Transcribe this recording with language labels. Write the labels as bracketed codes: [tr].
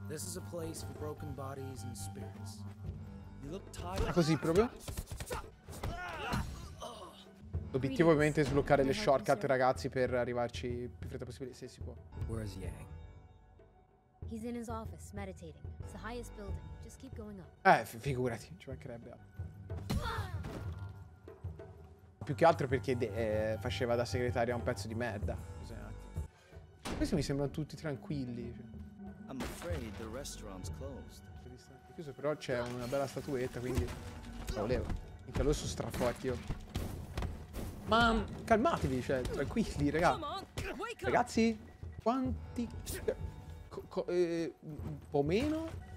[en] This is a place for broken bodies and spirits. You look tired. [it] Ah, così proprio? L'obiettivo ovviamente è sbloccare le shortcut, ragazzi, per arrivarci più fretta possibile, se si può. [en] Where is Yang? He's in his office meditating. It's the highest building. Just keep going up. [it] Figurati, ci mancherebbe. Più che altro perché faceva da segretario a un pezzo di merda. Questi mi sembrano tutti tranquilli. [en] I'm afraid the restaurant's closed. [it] Chiuso, però c'è una bella statuetta, quindi la volevo. In caso sono straforti io. Ma calmatevi, cioè, tranquilli, ragazzi. Ragazzi, quanti... un po' meno?